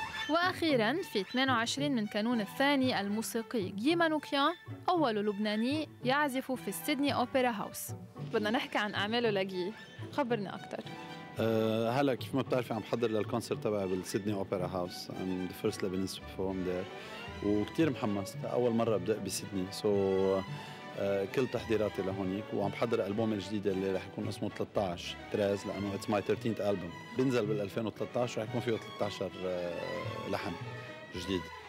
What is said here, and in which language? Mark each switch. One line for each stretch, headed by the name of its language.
Arabic: وأخيراً في 22 من كانون الثاني، الموسيقي جي مانوكيان أول لبناني يعزف في السيدني أوبرا هاوس. بدنا نحكي عن أعماله لجي، خبرنا أكثر. هلا كيف ما بتعرفي عم بحضر للكونسرت تبعي بالسيدني أوبرا هاوس.
English: I'm the first Lebanese perform there.
Arabic: وكتير محمس، أول مرة بدأ بسيدني. So كل تحضيراتي لهونيك، وعم بحضر ألبومي الجديد اللي رح يكون اسمه 13 تراز، لأنه
English: it's my 13th album.
Arabic: بنزل بال 2013 ورح يكون فيه 13 لحن جديد.